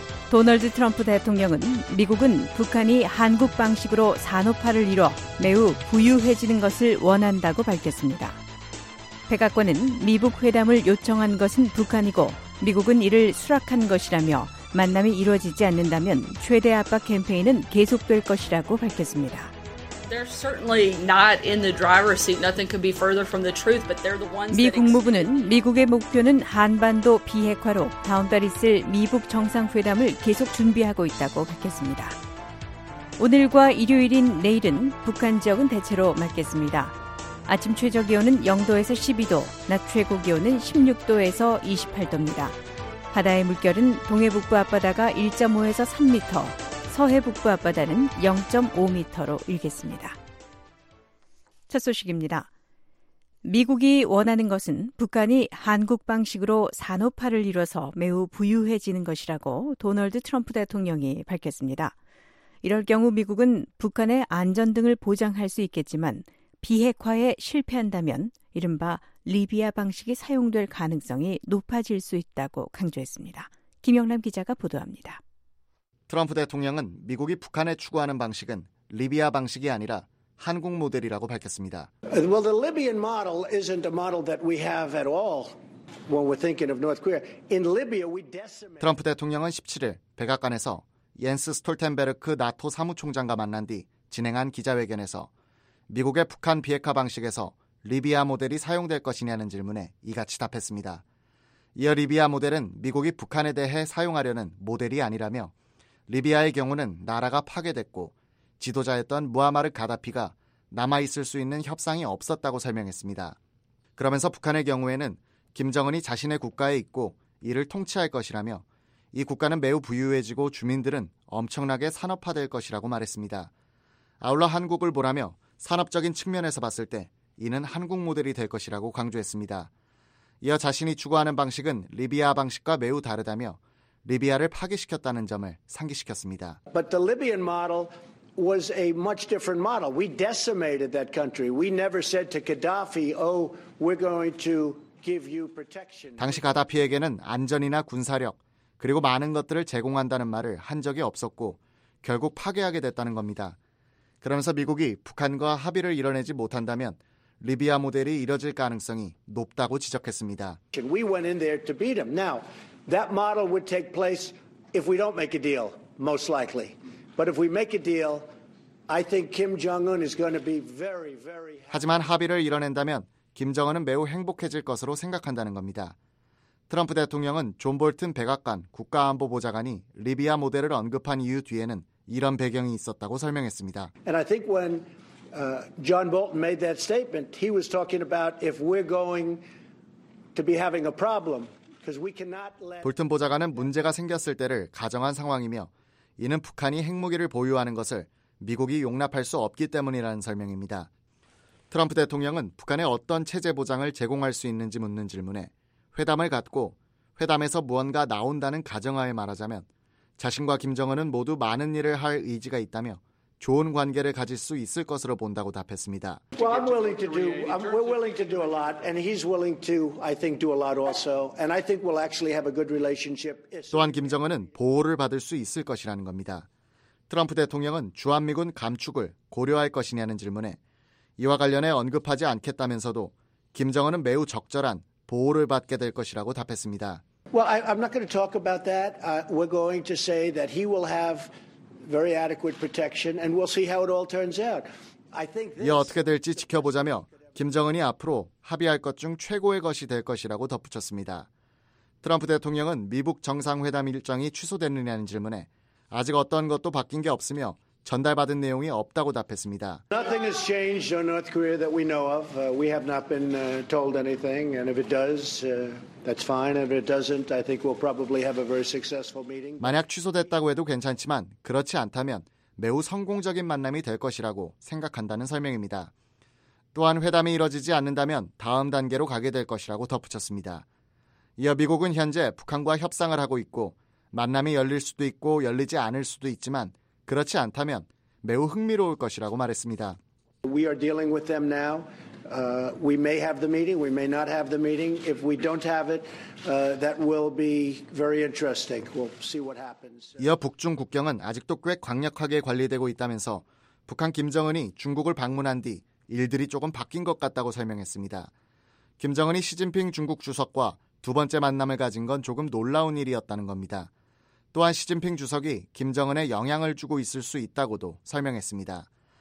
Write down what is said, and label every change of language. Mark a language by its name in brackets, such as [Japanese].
[Korean] 도널드 트럼프 대통령은 미국은 북한이 한국 방식으로 산업화를 이뤄 매우 부유해지는 것을 원한다고 밝혔습니다. 백악관은 미북 회담을 요청한 것은 북한이고 미국은 이를 수락한 것이라며 만남이 이루어지지 않는다면 최대 압박 캠페인은 계속될 것이라고 밝혔습니다. [English] They're certainly not in the driver's seat. Nothing could be further from the truth, but they're the ones. [Korean] 미 국무부는 미국의 목표는 한반도 비핵화로 다음 달 있을 미북 정상회담을 계속 준비하고 있다고 밝혔습니다. 오늘과 일요일인 내일은 북한 지역은 대체로 맑겠습니다. 아침 최저 기온은 0도에서 12도, 낮 최고 기온은 16도에서 28도입니다. 바다의 물결은 동해 북부 앞바다가 1.5에서 3m, 서해 북부 앞바다는 0.5m로 일겠습니다. 첫 소식입니다. 미국이 원하는 것은 북한이 한국 방식으로 산업화를 이뤄서 매우 부유해지는 것이라고 도널드 트럼프 대통령이 밝혔습니다. 이럴 경우 미국은 북한의 안전 등을 보장할 수 있겠지만 비핵화에 실패한다면 이른바 리비아 방식이 사용될 가능성이 높아질 수 있다고 강조했습니다. 김영남 기자가 보도합니다. 트럼프 대통령은 미국이 북한에 추구하는 방식은 리비아 방식이 아니라 한국 모델이라고 밝혔습니다. [English] Well, the Libyan model isn't a model that we have at all when we're thinking of North Korea. In Libya, we decimate. [Korean] 트럼프 대통령은 17일 백악관에서 옌스 스톨텐베르크 나토 사무총장과 만난 뒤 진행한 기자회견에서 미국의 북한 비핵화 방식에서 리비아 모델이 사용될 것이냐는 질문에 이같이 답했습니다. 이어 리비아 모델은 미국이 북한에 대해 사용하려는 모델이 아니라며 리비아의 경우는 나라가 파괴됐고 지도자였던 무아마르 가다피가 남아있을 수 있는 협상이 없었다고 설명했습니다. 그러면서 북한의 경우에는 김정은이 자신의 국가에 있고 이를 통치할 것이라며 이 국가는 매우 부유해지고 주민들은 엄청나게 산업화될 것이라고 말했습니다. 아울러 한국을 보라며 산업적인 측면에서 봤을 때 이는 한국 모델이 될 것이라고 강조했습니다. 이어 자신이 추구하는 방식은 리비아 방식과 매우 다르다며 리비아를 파괴시켰다는 점을 상기시켰습니다. [English] But the Libyan model was a much different model. We decimated that country. We never said to Gaddafi, "Oh, we're going to give you protection." [Korean] 당시 가다피에게는 안전이나 군사력 그리고 많은 것들을 제공한다는 말을 한 적이 없었고 결국 파괴하게 됐다는 겁니다. 그러면서 미국이 북한과 합의를 이뤄내지 못한다면 리비아 모델이 이뤄질 가능성이 높다고 지적했습니다. [English] We went in there to beat them. Now, that model would take place if we don't make a deal, most likely. But if we make a deal, I think Kim Jong-un is going to be very, very happy. [Korean] 하지만 합의를 이뤄낸다면 김정은은 매우 행복해질 것으로 생각한다는 겁니다. 트럼프 대통령은 존 볼튼 백악관 국가안보보좌관이 리비아 모델을 언급한 이유 뒤에는 이런 배경이 있었다고 설명했습니다. [English] And I think when John Bolton made that statement, he was talking about if we're going to be having a problem because we cannot let [Korean] 볼튼 보좌관은 문제가 생겼을 때를 가정한 상황이며 이는 북한이 핵무기를 보유하는 것을 미국이 용납할 수 없기 때문이라는 설명입니다. 트럼프 대통령은 북한에 어떤 체제 보장을 제공할 수 있는지 묻는 질문에 회담을 갖고 회담에서 무언가 나온다는 가정하에 말하자면 자신과 김정은은 모두 많은 일을 할 의지가 있다며 좋은 관계를 가질 수 있을 것으로 본다고 답했습니다. [English] Well, I'm willing to do. We're willing to do a lot, and he's willing to, I think, do a lot also. And I think we'll actually have a good relationship. [Korean] 또한 김정은은 보호를 받을 수 있을 것이라는 겁니다. 트럼프 대통령은 주한미군 감축을 고려할 것이냐는 질문에 이와 관련해 언급하지 않겠다면서도 김정은은 매우 적절한 보호를 받게 될 것이라고 답했습니다. [English] Well, I'm not going to talk about that. We're going to say that he will have very adequate protection, and we'll see how it all turns out. I think. [Korean] 이 어떻게 될지 지켜보자며 김정은이 앞으로 합의할 것 중 최고의 것이 될 것이라고 덧붙였습니다. 트럼프 대통령은 미북 정상회담 일정이 취소됐느냐는 질문에 아직 어떤 것도 바뀐 게 없으며 전달받은 내용이 없다고 답했습니다. [English] Nothing has changed on North Korea that we know of. We have not been told anything. And if it does, that's fine. If it doesn't, I think we'll probably have a very successful meeting. [Korean] 만약 취소됐다고 해도 괜찮지만 그렇지 않다면 매우 성공적인 만남이 될 것이라고 생각한다는 설명입니다. 또한 회담이 이뤄지지 않는다면 다음 단계로 가게 될 것이라고 덧붙였습니다. 이어 미국은 현재 북한과 협상을 하고 있고 만남이 열릴 수도 있고 열리지 않을 수도 있지만 그렇지 않다면 매우 흥미로울 것이라고 말했습니다. [English] We are dealing with them now. We may have the meeting, we may not have the meeting. If we don't have it, that will be very interesting. We'll see what happens. [Korean] 이어 북중 국경은 아직도 꽤 강력하게 관리되고 있다면서 북한 김정은이 중국을 방문한 뒤 일들이 조금 바뀐 것 같다고 설명했습니다. 김정은이 시진핑 중국 주석과 두 번째 만남을 가진 건 조금 놀라운 일이었다는 겁니다. 또한 시진핑 주석이 김정은에 영향을 주고 있을 수 있다고도 설명했습니다.